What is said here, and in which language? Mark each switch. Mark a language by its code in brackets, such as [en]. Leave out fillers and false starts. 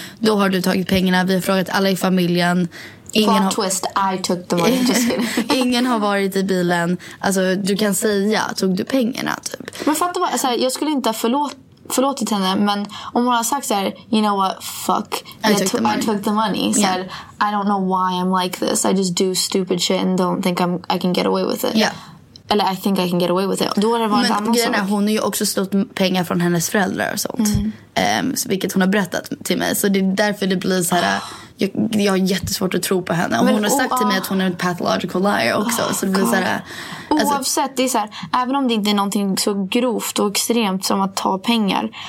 [sv] Då har du tagit pengarna, vi har frågat alla i familjen. Ingen har, [en] twist, I took the money. [sv] Ingen har varit i bilen. Alltså du kan säga, tog du pengarna typ. Men fattar vad, så här, jag skulle inte förlåtit henne, men om hon har sagt så här, [en] you know what, fuck, I took the money. Yeah. Said, I don't know why I'm like this. I just do stupid shit and don't think I can get away with it. Yeah. [sv] Eller [en] I think I can get away with it. [sv] Då har det varit annan sak. Men hon har ju också stått pengar från hennes föräldrar och sånt. Vilket hon har berättat till mig. Så det är därför det blir så här, jag har jättesvårt att tro på henne. Och men, hon har sagt till mig att hon är en pathological liar också. Så det blir så här, alltså, oavsett, det är så här, även om det inte är någonting så grovt och extremt som att ta pengar.